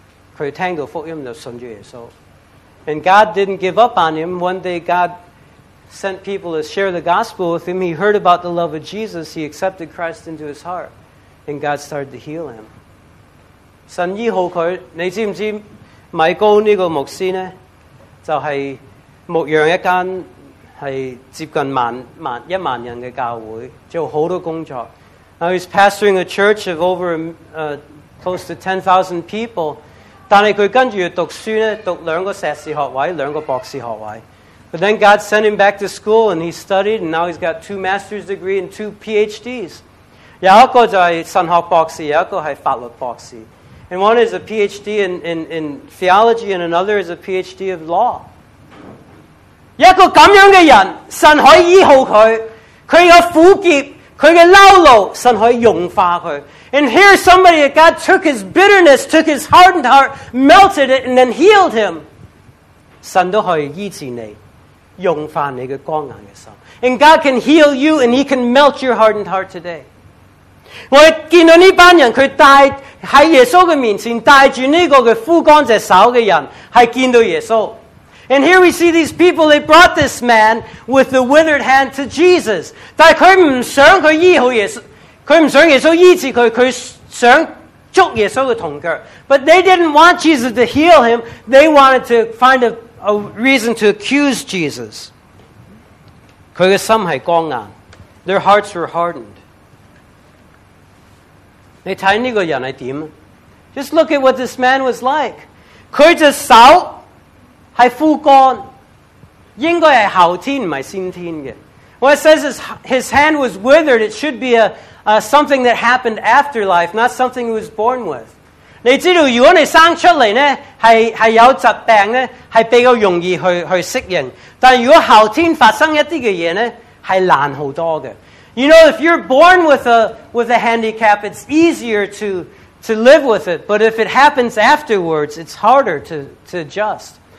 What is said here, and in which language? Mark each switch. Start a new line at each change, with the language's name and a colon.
Chinese: 但是神开始找到他。有一天他开始听到福音。他听到福音就信了耶稣。
English: And God didn't give up on him. One day God sent people to share the gospel with him. He heard about the love of Jesus. He accepted Christ into his heart. And God started to heal him.
Chinese: 神医好他, 你知不知道, 就是牧养一间是接近一万人的教会，做很多工作。
English: Now he's pastoring a church of over close to 10,000 people.
Chinese: 但是他跟着读书呢，读两个硕士学位，两个博士学位。
English: But then God sent him back to school and he studied, and now he's got two master's degrees and two PhDs.
Chinese: 有一个就是神学博士，有一个是法律博士。
English: And one is a PhD in theology, and another is a PhD of law.
Chinese: 一个这样的人，神可以医好他，他的苦涩，他的恼怒，神可以融化他。
English: And here's somebody that God took his bitterness, took his hardened heart, melted it, and then healed him.
Chinese: 神都可以医治你，融化你的光硬的心。
English: And God can heal you, and he can melt your hardened heart today.
Chinese: 我见到这班人，他带在耶稣的面前带着这个的枯干的手的人，是见到耶稣。
English: And here we see these people, they brought this man with the withered hand to Jesus.
Chinese: 但是他不想他医好耶稣，他不想耶稣医治他，他想捉耶稣的同脚。
English: But they didn't want Jesus to heal him, they wanted to find a reason to accuse Jesus.
Chinese: 他的心是光硬，
English: their hearts were hardened.
Chinese: 你看这个人是怎样？
English: Just look at what this man was like.
Chinese: 他的手是枯干，应该是后天，不是先天的。
English: Well, it says his hand was withered, it should be a something that happened after life, not something he was born with.
Chinese: 你知道，如果你生出来呢，是有疾病呢，是比较容易去适应。但如果后天发生一些事呢，是难很多的。
English: You know, if you're born with a handicap, it's easier to live with it, but if it happens afterwards, it's harder to adjust.